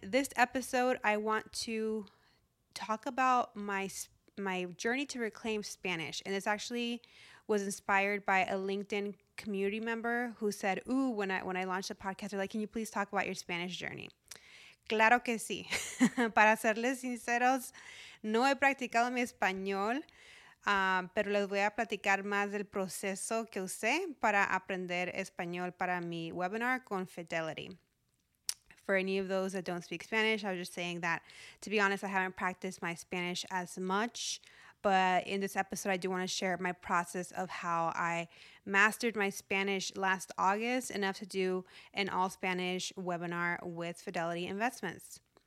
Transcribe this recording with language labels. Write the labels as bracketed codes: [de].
[en] This episode, I want to talk about my journey to reclaim Spanish, and this actually was inspired by a LinkedIn community member who said, ooh, when I launched the podcast, they're like, can you please talk about your Spanish journey? [es] Claro que sí. Para serles sinceros, no he practicado mi español, pero les voy a platicar más del proceso que usé para aprender español para mi webinar con Fidelity. [en] For any of those that don't speak Spanish, I was just saying that, to be honest, I haven't practiced my Spanish as much. But in this episode, I do want to share my process of how I mastered my Spanish last August enough to do an all Spanish webinar with Fidelity Investments.